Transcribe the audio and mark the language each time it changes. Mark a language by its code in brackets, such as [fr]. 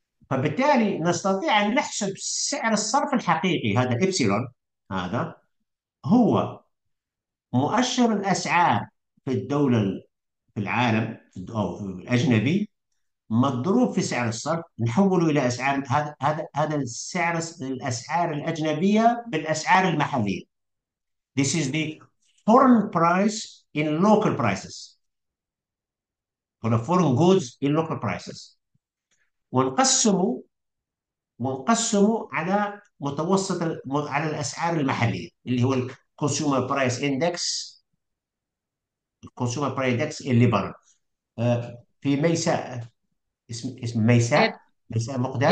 [ar] فبالتالي نستطيع أن نحسب سعر الصرف الحقيقي، هذا إبسيلون، هذا هو مؤشر الأسعار في الدولة في العالم أو في الأجنبي مضروب في سعر الصرف، نحوله إلى أسعار، هذا السعر، الأسعار الأجنبية بالأسعار المحلية. [en] This is the foreign price in local prices. For the foreign goods in local prices. [ar] ونقسم على متوسط، على الأسعار المحلية اللي هو الكونسيومر برايس اندكس، الكونسيومر برايس اندكس الليبرال في ميساء، اسم ميساء، ميساء مقدام،